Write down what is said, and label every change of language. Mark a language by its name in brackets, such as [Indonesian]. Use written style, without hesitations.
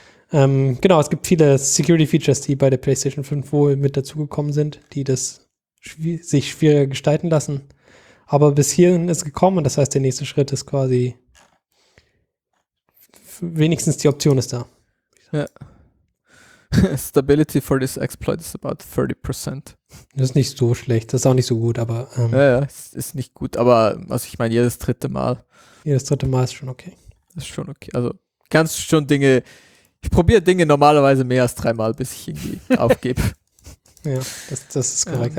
[German] Genau, es gibt viele Security-Features, die bei der PlayStation 5 wohl mit dazugekommen sind, die das sich schwieriger gestalten lassen. Aber bis hierhin ist gekommen, das heißt, der nächste Schritt ist quasi wenigstens die Option ist da. Ja. [English] Stability for this exploit is about 30%. [German] Das ist nicht so schlecht, das ist auch nicht so gut, aber Ja, ist nicht gut, aber also ich meine, jedes dritte Mal ist schon okay. Ist schon okay, also kannst schon Dinge, ich probiere Dinge normalerweise mehr als dreimal, bis ich irgendwie aufgebe. Ja, das ist korrekt.